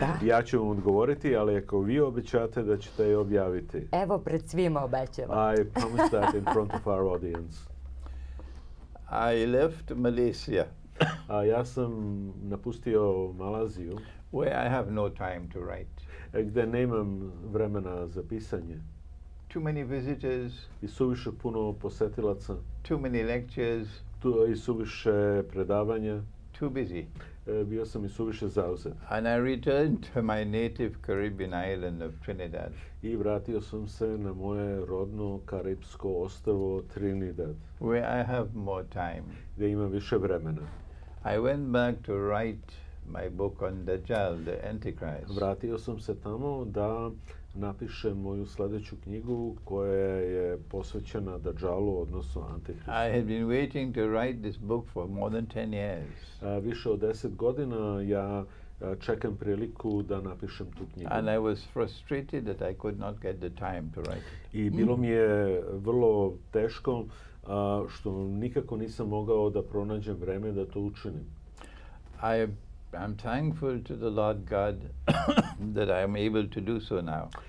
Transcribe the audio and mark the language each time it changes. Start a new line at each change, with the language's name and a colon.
Serbian: Ja ću vam odgovoriti, ali ako vi obećate da ćete je objaviti. Evo, pred svima obećam.
English: I promise that in front of our audience. I left Malaysia.
Serbian: Ja sam napustio Malaziju.
English: Where I have no time to write.
Serbian: Gde nemam vremena za pisanje.
English: Too many visitors.
Serbian: I suviše puno posetilaca.
English: Too many lectures.
Serbian: I suviše predavanja.
English: Too busy.
Serbian: Bio sam i suviše zauzet.
English: And I returned to my native Caribbean island of Trinidad.
Serbian: I vratio sam se na moje rodno karibsko ostrvo Trinidad.
English: Where I have more time.
Serbian: Gde imam više vremena.
English: I went back to write my book on Dajjal, the Antichrist.
Serbian: Vratio sam se tamo da napišem moju sljedeću knjigu koja je posvećena Dajjalu, odnosno Antihristu.
English: I had been waiting to write this book for more than 10 years.
Serbian: Više od 10 godina ja čekam priliku da napišem tu knjigu.
English: And I was frustrated that I could not get the time to write it.
Serbian: I bilo mi je vrlo teško što nikako nisam mogao da pronađem vreme da to učinim.
English: I'm thankful to the Lord God that I'm able to do so now.